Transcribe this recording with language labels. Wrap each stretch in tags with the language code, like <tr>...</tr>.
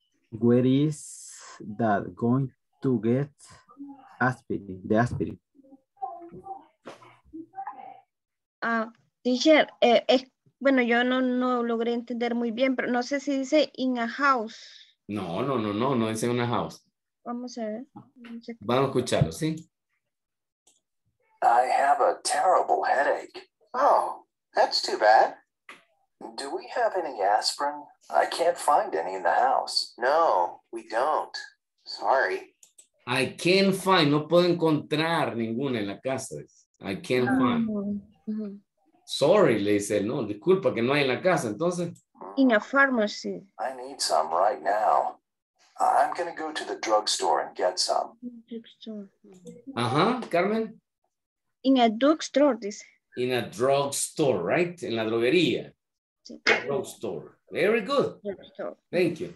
<en>Where is dad going to get aspirin, the aspirin.</en> <es>Teacher, bueno, yo no logré entender muy bien, pero no sé si dice</es> <en>in a house.</en> <es>No dice</es> <en>in a house.</en> <es>Vamos a ver. Vamos a escucharlo, ¿sí?</es> <en>I have a terrible headache. Oh, that's too bad. Do we have any aspirin? I can't find any in the house. No, we don't. Sorry. I can't find,</en> <es>no puedo encontrar ninguna en la casa.</es> <en>I can't find. Sorry,</en> <es>le dice, no, disculpa que no hay en la casa, entonces.</es> <en>In a pharmacy. I need some right now. I'm going to go to the drugstore and get some.</en> <es>Ajá, Carmen.</es> <en>In a drugstore,</en> <es>dice.</es> <en>In a drugstore, right?</en> <es>En la droguería. Sí.</es> <en>Drugstore. Very good. Drugstore. Thank you.</en>